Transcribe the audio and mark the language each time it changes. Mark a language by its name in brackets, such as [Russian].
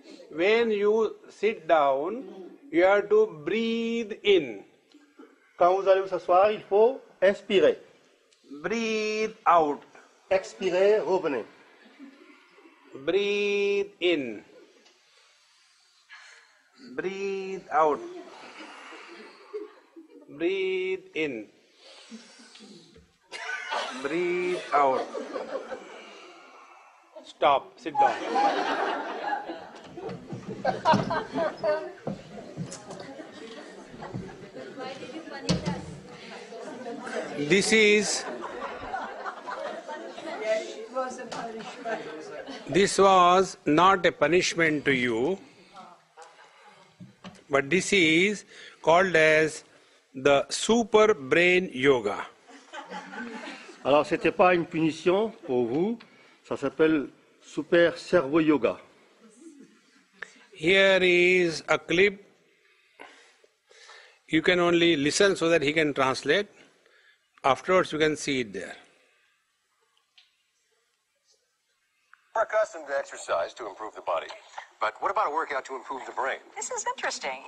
[English] When you sit down, you have to breathe in. [French] Quand vous allez vous asseoir, il faut inspirer. [English] Breathe out. [French] Expirez, revenez. [English] Breathe in. Breathe out. Breathe in. Breathe out. Stop. Sit down. This is... This was not a punishment to you, but this is called as the super brain yoga. [French] Alors, c'était pas une punition pour vous, ça s'appelle super cerveau yoga. [English] Here is a clip. You can only listen so that he can translate. Afterwards, you can see it there. We're accustomed to exercise to improve the body, but what about a workout to improve the brain? This is interesting.